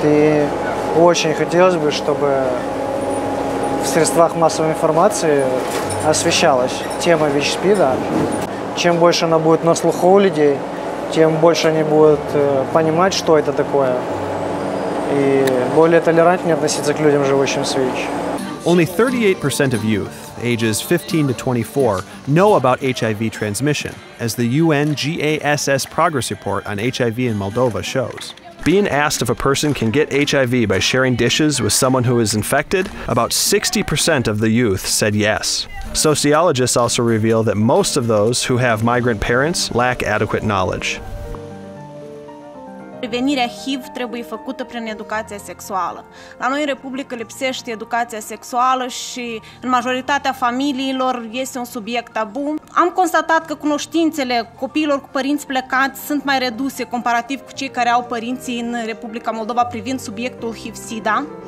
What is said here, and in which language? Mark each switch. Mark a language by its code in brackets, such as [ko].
[ru] И очень хотелось бы, чтобы в средствах массовой информации освещалась тема ВИЧ-СПИДа. Чем больше она будет на слуху у людей, тем больше они будут понимать, что это такое, и более толерантнее относиться к людям, живущим с ВИЧ. [en] Only 38% of youth, ages 15 to 24, know about HIV transmission, as the UNGASS Progress Report on HIV in Moldova shows. Being asked if a person can get HIV by sharing dishes with someone who is infected, about 60% of the youth said yes. Sociologists also reveal that most of those who have migrant parents lack adequate knowledge. [ro] Prevenirea HIV trebuie făcută prin educația sexuală. La noi, în Republică, lipsește educația sexuală și în majoritatea familiilor este un subiect tabu. Am constatat că cunoștințele copiilor cu părinți plecați sunt mai reduse comparativ cu cei care au părinții în Republica Moldova privind subiectul HIV-SIDA.